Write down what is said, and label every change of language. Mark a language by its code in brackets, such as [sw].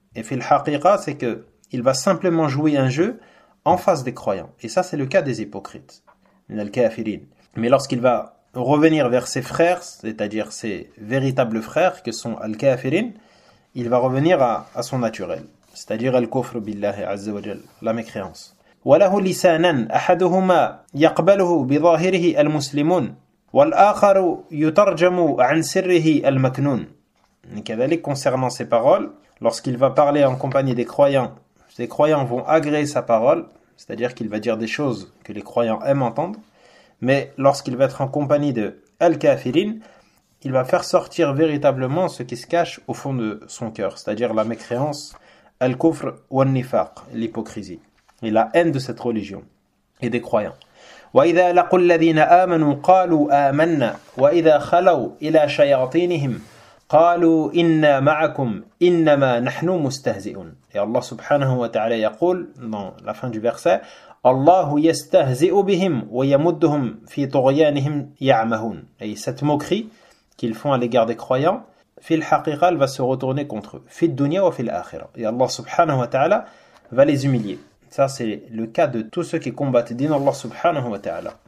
[fr] Et [ar] fil haqiqa, [fr] c'est qu'il va simplement jouer un jeu en face des croyants. Et ça, c'est le cas des hypocrites, al-kafirin. Mais lorsqu'il va revenir vers ses frères, c'est-à-dire ses véritables frères, que sont al-kafirin, il va revenir à son naturel, c'est-à-dire [ar] al-kufr billahi azza wa jal, [fr] la mécréance. [ar] وَلَهُ لِسَانًا أَحَدُهُمَا يَقْبَلُهُ بِظَاهِرِهِ الْمُسْلِمُونَ والآخر يترجم عن سره المكنون. كذلك [fr] concernant ses paroles, lorsqu'il va parler en compagnie des croyants, ces croyants vont agréer sa parole, c'est-à-dire qu'il va dire des choses que les croyants aiment entendre, mais lorsqu'il va être en compagnie de al-kafirin, il va faire sortir véritablement ce qui se cache au fond de son cœur, c'est-à-dire la mécréance, al-kufr ou al-nifaq, l'hypocrisie et la haine de cette religion et des croyants. [ar] وإذا لقوا الذين آمنوا قالوا آمنا وإذا خلوا إلى شياطينهم قالوا إنا معكم إنما نحن مستهزئون. Et Allah subhanahu wa ta'ala يقول [fr] dans la fin du verset, [ar] الله يستهزئ بهم ويمدهم في طغيانهم يعمهون. [fr] Et cette moquerie qu'ils font à l'égard des croyants, [ar] في الحقيقة [fr] elle va se retourner contre eux, [ar] في الدنيا وفي الآخرة. [fr] Et Allah subhanahu wa ta'ala va les humilier. Ça, c'est le cas de tous ceux qui combattent [ar] din Allah subhanahu wa ta'ala.